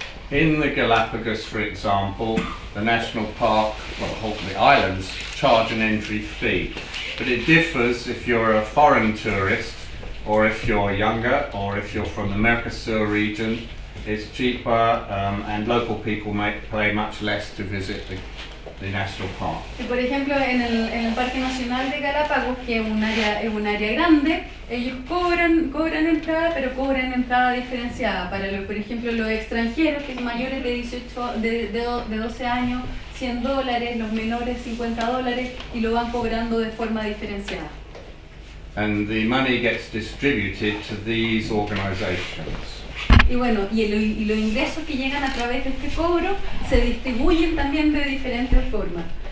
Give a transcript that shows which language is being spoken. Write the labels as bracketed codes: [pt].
[en] In the Galapagos, for example, the national park, well, hopefully the islands, charge an entry fee. But it differs if you're a foreign tourist, or if you're younger, or if you're from the Mercosur region, it's cheaper, and local people might pay much less to visit the national park. [es] Por ejemplo, en el Parque Nacional de Galápagos, que es un área grande, ellos cobran entrada, pero cobran entrada diferenciada. Para los, por ejemplo, los extranjeros que son mayores de 12 años, $100, los menores $50, y lo van cobrando de forma diferenciada. [en] And the money gets distributed to these organizations. [es] Y bueno, y los ingresos que llegan a través de este cobro se distribuyen también de diferentes formas.